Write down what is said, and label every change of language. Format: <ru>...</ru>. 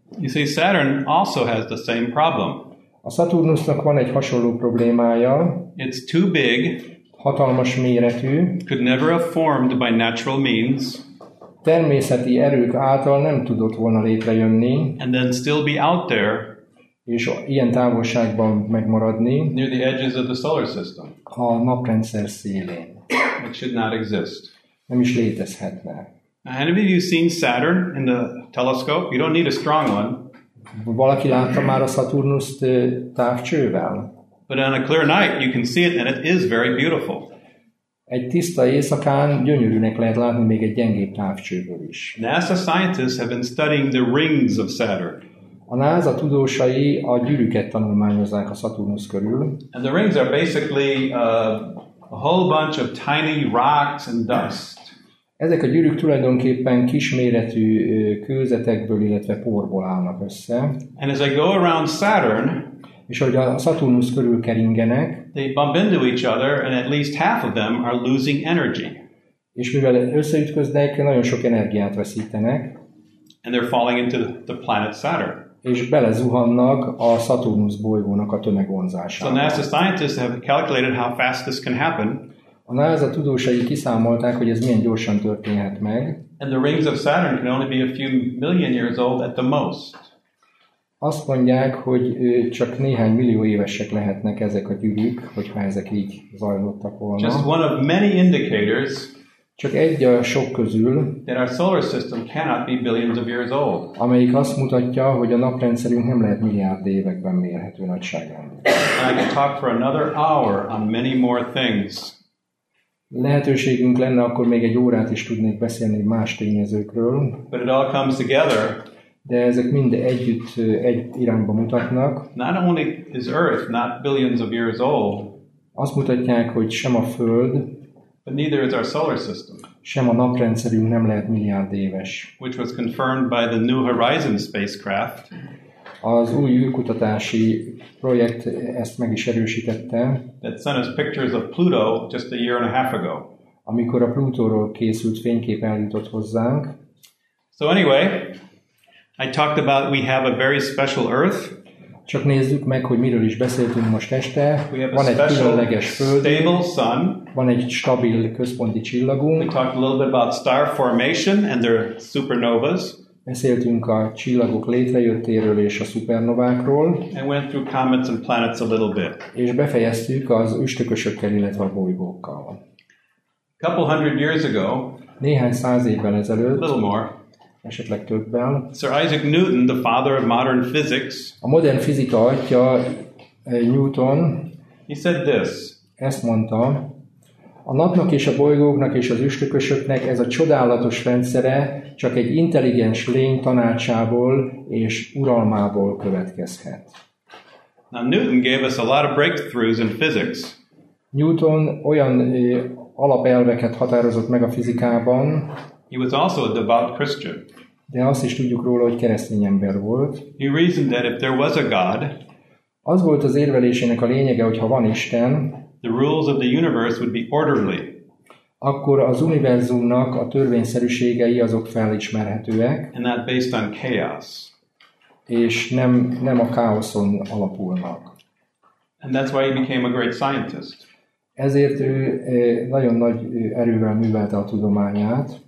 <en>You see, Saturn also has the same problem.</en> <hu>A Saturnusnak van egy hasonló problémája.</hu> <en>It's too big.</en> <hu>Hatalmas méretű.</hu> <en>Could never have formed by natural means.</en> <hu>Természeti erők által nem tudott volna létrejönni.</hu> <en>And then still be out there.</en> <hu>És ilyen távolságban megmaradni.</hu> <en>Near the edges of the solar system.</en> <hu>A naprendszer szélén.</hu> <en>It should not exist.</en> <hu>Nem is létezhetne.</hu> <en>Have any of you seen Saturn in the telescope? You don't need a strong one.</en> <hu>Valaki látta már a Szaturnuszt távcsővel?</hu> <en>But on a clear night you can see it and it is very beautiful.</en> <hu>Egy tiszta éjszakán gyönyörűnek lehet látni még egy gyengébb távcsőből is.</hu> <en>NASA scientists have been studying the rings of Saturn.</en> <hu>A NASA tudósai a gyűrűket tanulmányozzák a Szaturnusz körül.</hu> <en>And the rings are basically a whole bunch of tiny rocks and dust.</en> <hu>Ezek a gyűrűk tulajdonképpen kisméretű kőzetekből, illetve porból állnak össze.</hu> <en>And as I go around Saturn,</en> <hu>és ahogy a Szaturnusz körül keringenek,</hu> <en>they bump into each other, and at least half of them are losing energy.</en> <hu>És mivel összeütköznek, nagyon sok energiát veszítenek.</hu> <en>And they're falling into the planet Saturn.</en> <hu>És belezuhannak a Szaturnusz bolygónak a tömegvonzásába.</hu> <en>So NASA scientists have calculated how fast this can happen.</en> <hu>A NASA tudósai kiszámolták, hogy ez milyen gyorsan történhet meg.</hu> <en>And the rings of Saturn can only be a few million years old at the most.</en> <hu>Azt mondják, hogy csak néhány millió évesek lehetnek ezek a gyűrűk, hogyha ezek így zajlottak volna.</hu> <en>Just one of many indicators.</en> <hu>Csak egy a sok közül.</hu> <en>That our solar system cannot be billions of years old.</en> <hu>Amelyik azt mutatja, hogy a naprendszerünk nem lehet milliárd években mérhető nagyságban.</hu> <en>And I can talk for another hour on many more things.</en> <hu>Lehetőségünk lenne, akkor még egy órát is tudnék beszélni más tényezőkről.</hu> <en>But it all comes together.</en> <hu>De ezek mind együtt egy irányba mutatnak.</hu> <en>Not only is Earth not billions of years old.</en> <hu>Azt mutatják, hogy sem a Föld,</hu> <en>but neither is our solar system.</en> <hu>Sem a naprendszerünk nem lehet milliárd éves.</hu> <en>Which was confirmed by the New Horizons spacecraft.</en> <hu>Az új űrkutatási projekt ezt meg is erősítette.</hu> <en>That sent us pictures of Pluto just a year and a half ago.</en> <hu>amikor a Plutóról készült fénykép eljutott hozzánk.</hu> <en>So anyway, I talked about we have a very special earth.</en> <hu>Csak nézzük meg, hogy miről is beszéltünk most este. Van egy különleges föld, van egy stabil központi csillagunk.</hu> <en>We talked a little bit about star formation and their supernovas.</en> <hu>Beszéltünk a csillagok létrejöttéről és a szupernovákról.</hu> <en>And went through comets and planets a little bit.</en> <hu>És befejeztük az üstökösökkel, illetve a bolygókkal.</hu> <en>A couple hundred years ago,</en> <hu>néhány száz évvel ezelőtt,</hu> <en>a little more,</en> <hu>esetleg többen,</hu> <en>Sir Isaac Newton, the father of modern physics,</en> <hu>a modern fizika atya, Newton,</hu> <en>he said this,</en> <hu>ezt mondta, a napnak és a bolygóknak és az üstökösöknek ez a csodálatos rendszere csak egy intelligens lény tanácsából és uralmából következhet.</hu> <en>Now Newton gave us a lot of breakthroughs in physics.</en> <hu>Newton olyan alapelveket határozott meg a fizikában.</hu> <en>He was also a devout Christian.</en> <hu>De azt is tudjuk róla, hogy keresztény ember volt.</hu> <en>He reasoned that if there was a God,</en> <hu>az volt az érvelésének a lényege, hogy ha van Isten,</hu> <en>the rules of the universe would be orderly.</en> <hu>Akkor az univerzumnak a törvényszerűségei azok felismerhetőek.</hu> <en>And not based on chaos.</en> <hu>És nem a káoszon alapulnak.</hu> <en>And that's why he became a great scientist.</en> <hu>Ezért ő nagyon nagy erővel művelte a tudományát.</hu>